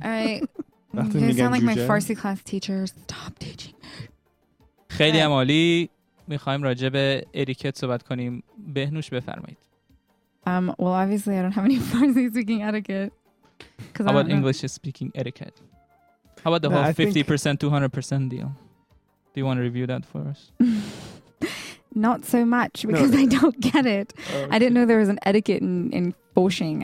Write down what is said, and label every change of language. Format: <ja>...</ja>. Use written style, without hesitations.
<en>All right. You sound like my Farsi class teacher. Stop teaching.</en> <fa>خیلی هم عالی. میخوایم راجع به اتیکت صحبت کنیم. بهنوش بفرمایید.</fa> <en>Well, obviously, I don't have any Farsi speaking etiquette. How about English speaking etiquette? How about the whole 50% 200% deal? Do you want to review that for us? Not so much because I don't get it. Okay. I didn't know there was an etiquette in boshing.</en>